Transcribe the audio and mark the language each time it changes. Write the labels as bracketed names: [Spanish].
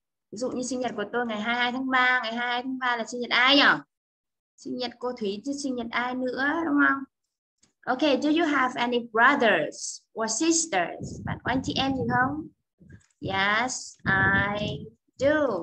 [Vietnamese] Ví dụ như sinh nhật của tôi ngày 22 tháng 3. Ngày 22 tháng 3 là sinh nhật ai nhỉ? Sinh nhật cô Thúy chứ sinh nhật ai nữa, đúng không? [English] Okay, do you have any brothers or sisters? [Vietnamese] Bạn có anh chị em gì không? [English] Yes, I do.